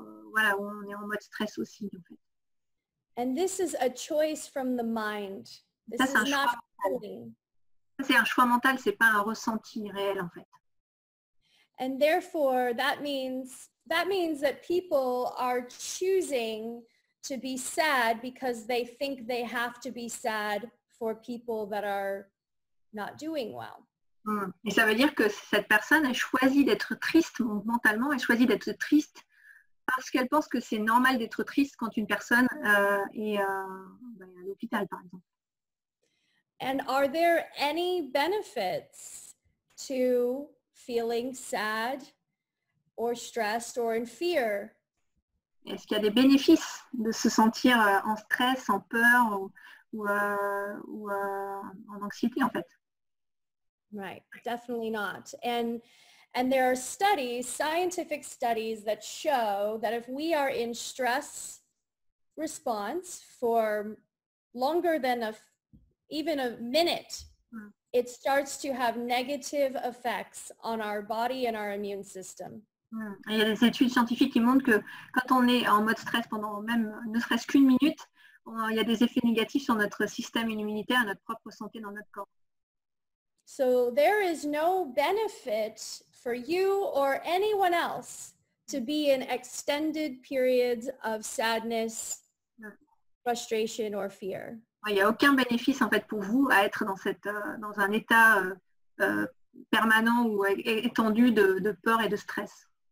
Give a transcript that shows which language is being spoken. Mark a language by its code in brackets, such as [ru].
[fr] voilà, on est en mode stress aussi, en fait. [en] And this is a choice from the mind. [fr] C'est un choix mental, c'est pas un ressenti réel, en fait. [en] And therefore, that means that people are choosing to be sad because they think they have to be sad for people that are not doing well. Mm. [fr] Et ça veut dire que cette personne a choisi d'être triste mentalement, elle choisit d'être triste parce qu'elle pense que c'est normal d'être triste quand une personne est à l'hôpital, par exemple. [en] And are there any benefits to feeling sad or stressed or in fear? [fr] Est-ce qu'il y a des bénéfices de se sentir en stress, en peur ou en anxiété, en fait? [en] Right, definitely not. And there are studies, scientific studies, that show that if we are in stress response for longer than even a minute, it starts to have negative effects on our body and our immune system. [fr] Il y a des études scientifiques qui montrent que quand on est en mode stress pendant même ne serait-ce qu'une minute, il y a des effets négatifs sur notre système immunitaire, notre propre santé dans notre corps. [en] So there is no benefit for you or anyone else to be in extended periods of sadness, frustration or fear. [fr] Il n'y a aucun bénéfice en fait pour vous à être dans cette dans un état permanent ou étendu de peur et de stress.